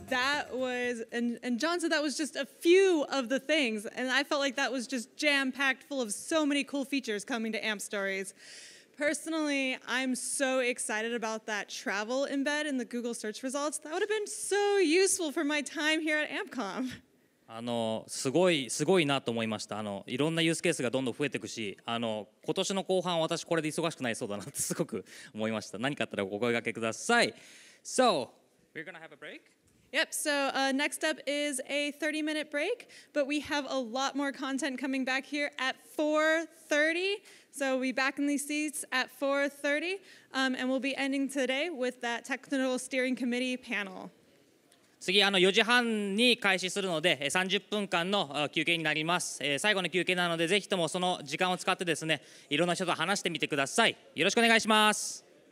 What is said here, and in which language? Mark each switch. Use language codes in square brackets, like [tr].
[en] That was, and John said that was just a few of the things, and I felt like that was just jam-packed full of so many cool features coming to AMP Stories. Personally, I'm so excited about that travel embed in the Google search results. That would have been so useful for my time here at AmpConf. [ja] すごいなと思いました。いろんなユースケースがどんどん増えていくし、今年の後半私これで忙しくなりそうだなってすごく思いました。何かあったらお声掛けください。 [en] So, we're gonna have a break? Yep, so next up is a 30-minute break, but we have a lot more content coming back here at 4:30. So we'll be back in these seats at 4:30, and we'll be ending today with that technical steering committee panel. [ja] 次、4時半に開始するので、30分間の休憩になります。最後の休憩なので、ぜひともその時間を使ってですね、いろんな人と話してみてください。よろしくお願いします。